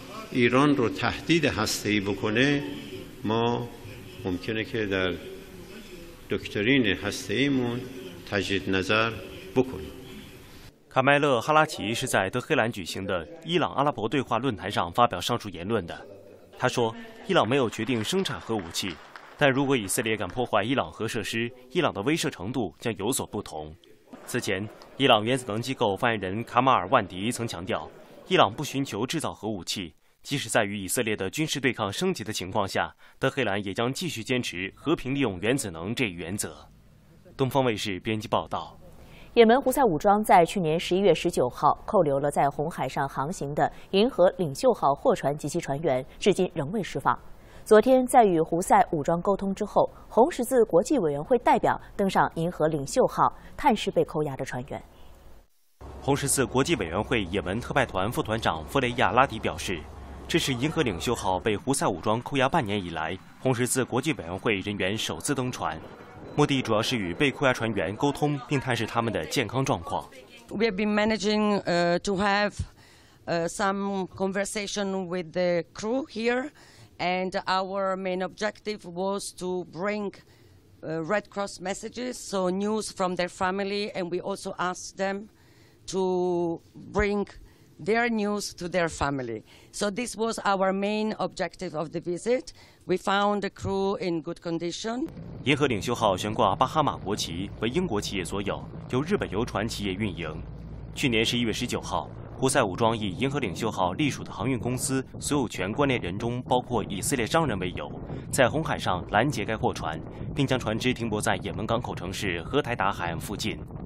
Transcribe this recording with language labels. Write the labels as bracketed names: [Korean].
[Persian] ایران رو تهدید هسته‌ای بکنه ما ممکنه که در دکترین هسته‌ایمون تجدید نظر بکنیم。 [Chinese] 卡麦勒·哈拉奇是在德黑兰举行的伊朗阿拉伯对话论坛上发表上述言论的。他说，伊朗没有决定生产核武器，但如果以色列敢破坏伊朗核设施，伊朗的威慑程度将有所不同。此前，伊朗原子能机构发言人卡马尔·万迪曾强调，伊朗不寻求制造核武器，即使在与以色列的军事对抗升级的情况下，德黑兰也将继续坚持和平利用原子能这一原则。东方卫视编辑报道。也门胡塞武装在去年11月19号扣留了在红海上航行的银河领袖号货船及其船员，至今仍未释放。昨天在与胡塞武装沟通之后，红十字国际委员会代表登上银河领袖号探视被扣押的船员。红十字国际委员会也门特派团副团长弗雷亚拉迪表示，这是银河领袖号被胡塞武装扣押半年以来，红十字国际委员会人员首次登船，目的主要是与被扣押船员沟通，并探视他们的健康状况。 [English] We have been managing to have some conversation with the crew here, and our main objective was to bring Red Cross messages, so news from their family, and we also asked them to bring their news to their family. So this was our main objective of the visit. We found the crew in good condition. [Chinese] 银河领袖号悬挂巴哈马国旗，为英国企业所有，由日本游船企业运营。去年11月19号，胡塞武装以银河领袖号隶属的航运公司所有权关联人中包括以色列商人为由，在红海上拦截该货船，并将船只停泊在也门港口城市荷台达海岸附近。